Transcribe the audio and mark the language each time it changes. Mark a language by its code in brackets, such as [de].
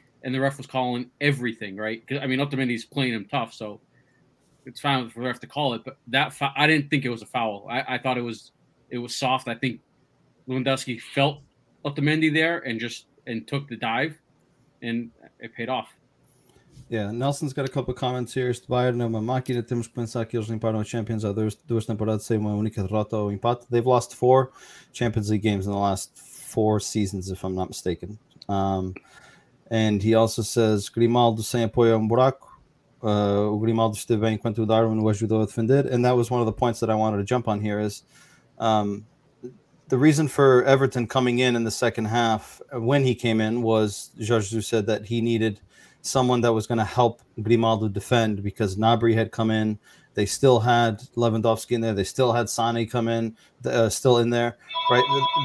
[en] And the ref was calling everything, right? Because, I mean, Otamendi's playing him tough, so it's fine for the ref to call it. But that I didn't think it was a foul. I thought it was soft. I think Lewandowski felt Otamendi there and took the dive, and it paid off. Yeah, Nelson's got a couple of comments here. [pt] Bayern não é uma máquina. Temos que pensar que eles limparam os Champions há duas temporadas sem uma única derrota ou empate. [en] They've lost 4 Champions League games in the last 4 seasons, if I'm not mistaken. And he also says, [pt] Grimaldo sem apoio é buraco. O Grimaldo esteve bem enquanto o Darwin o ajudou a defender. [en] And that was one of the points that I wanted to jump on here is the reason for Everton coming in the second half when he came in was Jorge said that he needed someone that was going to help Grimaldo defend because Gnabry had come in. They still had Lewandowski in there. They still had Sané come in, still in there, right?